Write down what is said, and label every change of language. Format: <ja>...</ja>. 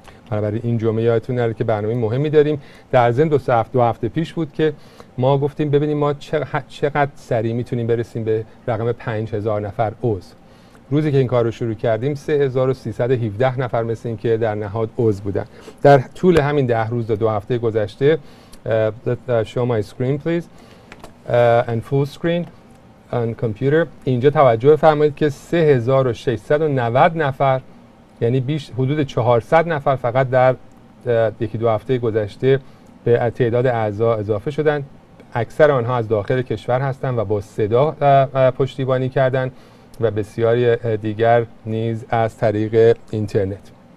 <fa>بنابراین این جمعه یادتون نره که برنامه مهمی داریم. در ضمن دو هفته پیش بود که ما گفتیم ببینیم ما چقدر سریع میتونیم برسیم به رقم 5000 نفر عضو. روزی که این کار رو شروع کردیم 3317 نفر مثل این که در نهاد عضو بودن. در طول همین 10 روز و 2 هفته گذشته</fa> <en>show my screen please and full screen on computer.</en> <fa>اینجا توجه فرمایید که 3690 نفر، یعنی بیش حدود 400 نفر فقط در یکی دو هفته گذشته به تعداد اعضا اضافه شدن. اکثر آنها از داخل کشور هستند و با صدا پشتیبانی کردن و بسیاری دیگر نیز از طریق اینترنت.</fa>